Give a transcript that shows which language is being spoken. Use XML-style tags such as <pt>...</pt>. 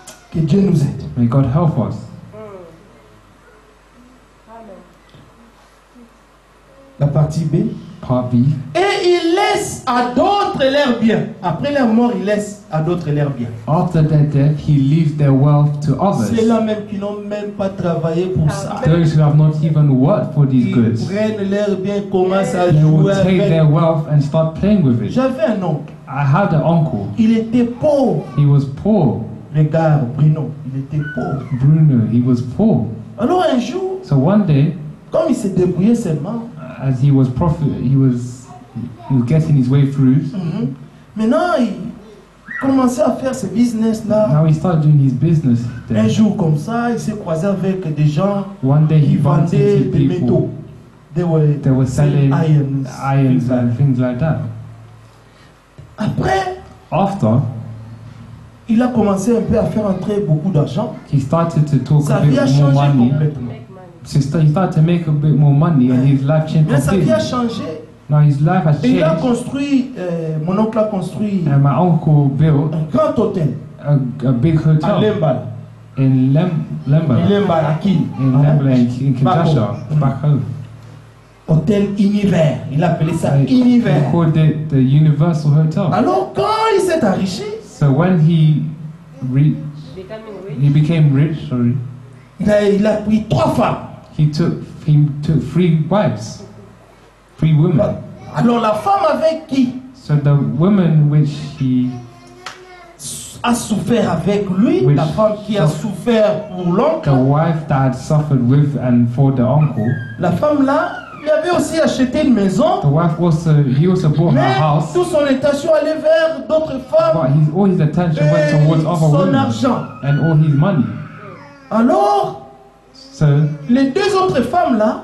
<fr>Que Dieu nous aide.</fr> <en>May God help us. Amen.</en> <fr>La partie B.</fr> <en>Part B.</en> <fr>Et il laisse à d'autres leurs biens. Après leur mort, il laisse à d'autres leurs biens.</fr> <en>After their death, he leaves their wealth to others.</en> <fr>C'est là même qui n'ont même pas travaillé pour ça.</fr> <en>Those who have not even worked for these goods.</en> <fr>Ils prennent leurs biens, commencent à jouer avec.</fr> <en>They will take their wealth and start playing with it.</en> <fr>J'avais un oncle.</fr> <en>I had an uncle.</en> <fr>Il était pauvre.</fr> <en>He was poor.</en> <fr>Regarde, Bruno, il était pauvre.</fr> <en>Bruno, he was poor.</en> <fr>Alors un jour,</fr> <en>so one day,</en> <fr>comme il s'est débrouillé seulement,</fr> <en>as he was profit, he was getting his way through.</en> <fr>Maintenant, il commençait à faire ce business là.</fr> <en>Now he started doing his business. Then.</en> <fr>Un jour comme ça, il s'est croisé avec des gens.</fr> <en>One day he</en> <fr>vendait</fr> <en>bumped into</en> <fr>des</fr> <en>people.</en> <fr>Métaux.</fr> <en>they were selling irons and things like that.</en> <fr>Après,</fr> <en>after,</en> <fr>il a commencé un peu à faire entrer beaucoup d'argent.</fr> <en>He started to talk a bit more money. So he started to make a bit more money, and his life changed.</en> <fr>Mais ça lui a changé.</fr> <en>Now his life has changed.</en> <fr>Il a construit, mon oncle a construit.</fr> <en>And my uncle built</en> <fr>un grand hôtel.</fr> <en>A big hotel.</en> <fr>À Lembal.</fr> <en>In Lembal.</en> <fr>Lembal, à qui?</fr> <en>In Lembal, in Kinshasa, back home.</en> <fr>Hôtel Univers. Il appelait ça Univers.</fr> <en>He called it the Universal Hotel.</en> <fr>Alors quand il s'est enrichi?</fr> <en>So when he became rich. Sorry.</en> <fr>Il a pris trois femmes.</fr> <en>He took three wives. Three women.</en> <fr>Alors la femme avec qui?</fr> <en>So the woman which he</en> <fr>a souffert avec lui, la femme qui a souffert pour l'oncle.</fr> <en>The wife that had suffered with and for the uncle.</en> <fr>La femme là, il avait aussi acheté une maison.</fr> <en>The wife also, he also bought</en> <fr>mais</fr> <en>her house.</en> <fr>Tout son attention allait vers d'autres femmes.</fr> <en>But all his attention went towards other</en> <fr>son</fr> <en>women.</en> <fr>Son argent.</fr> <en>And all his money.</en> <fr>Alors,</fr> <en>so,</en> <fr>les deux autres femmes là,</fr>